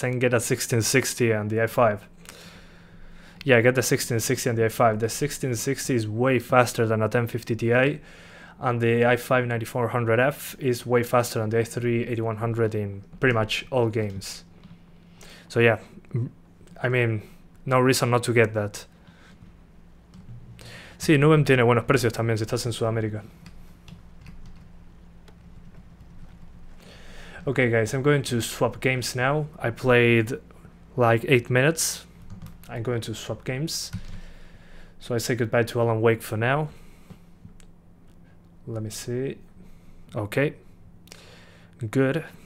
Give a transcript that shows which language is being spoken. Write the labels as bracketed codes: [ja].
[en] Then get a 1660 and the i5. Yeah, get the 1660 and the i5. The 1660 is way faster than a 1050 Ti. And the i5-9400F is way faster than the i3-8100 in pretty much all games. So yeah, I mean, No reason not to get that. [es] Sí, Nubem tiene buenos precios también si estás en Sudamérica. [en] Okay, guys, I'm going to swap games now. I played like 8 minutes. I'm going to swap games. So I say goodbye to Alan Wake for now. Let me see. Okay. Good.